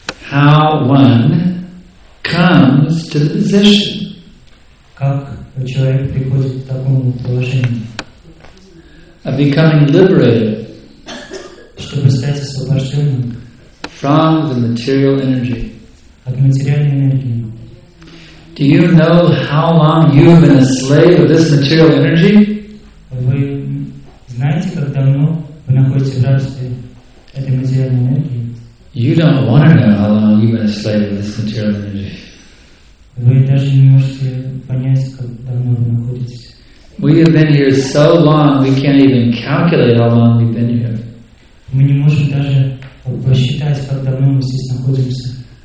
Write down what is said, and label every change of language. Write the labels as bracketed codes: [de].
[en] How one comes to the position. [ru] Как человек приходит к такому положению? [en] Of becoming liberated. [ru] Чтобы стать освобожденным. [en] From the material energy. [ru] От материальной энергии. [en] Do you know how long you have been a slave of this material energy? [ru] Вы знаете, как давно вы находитесь в рабстве этой материальной энергии? [en] You don't want to know how long you've been a slave of this material energy. [ru] Вы даже не можете понять, как давно вы находитесь. [en] We have been here so long, we can't even calculate how long we've been here. [ru] Мы не можем даже посчитать, как давно мы здесь находимся.